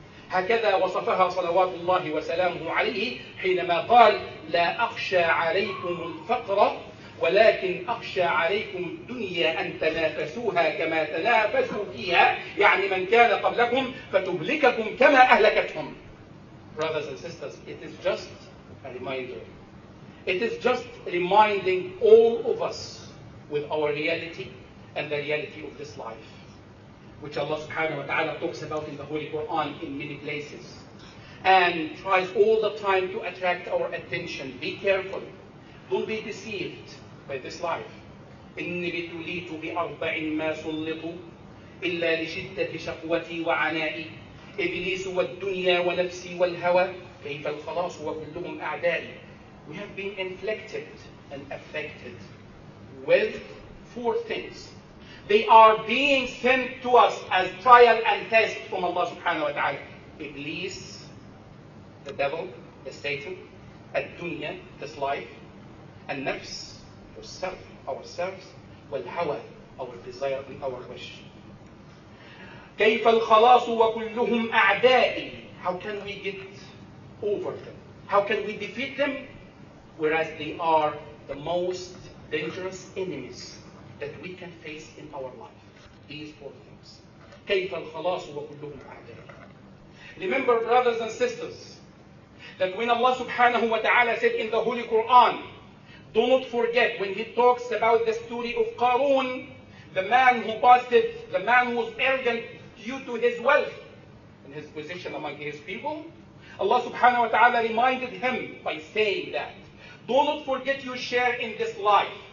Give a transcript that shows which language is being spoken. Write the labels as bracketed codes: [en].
[ar] هكذا وصفها صلوات الله وسلامه عليه حينما قال لا أخشى عليكم الفقر ولكن أخشى عليكم الدنيا أن تنافسوها كما تنافسوا فيها، يعني من كان قبلكم فتهلككم كما أهلكتهم. [en] Brothers and sisters, it is just a reminder. It is just reminding all of us with our reality and the reality of this life, which Allah subhanahu wa ta'ala talks about in the Holy Quran in many places and tries all the time to attract our attention. Be careful. Don't be deceived by this life. [ar] إِنِّي بِتُلِيتُ بِأَرْبَعٍ مَا سُلِّطُ إِلَّا لِشِدَّةِ شَقْوَتِي وَعَنَائِي إِبْلِيسُ وَالدُّنْيَا وَنَفْسِي وَالْهَوَى كَيْفَ الْخَلَاصُ وَكُلُّهُمْ أَعْدَائِي. [en] We have been inflicted and affected with four things. They are being sent to us as trial and test from Allah subhanahu wa ta'ala. Iblis, the devil, the Satan, الدنيا, this life, and nafs, yourself, ourselves, والهوى, our desire and our wish. [ar] كيف الخلاص وكلهم أعدائي. [en] How can we get over them? How can we defeat them? Whereas they are the most dangerous enemies that we can face in our life. These four things. [ar] كيف الخلاص وكلهم أعدائي. [en] Remember, brothers and sisters, that when Allah subhanahu wa ta'ala said in the Holy Quran, do not forget, when he talks about the story of Qarun, the man who boasted, the man who was arrogant due to his wealth and his position among his people, Allah subhanahu wa ta'ala reminded him by saying that, do not forget your share in this life.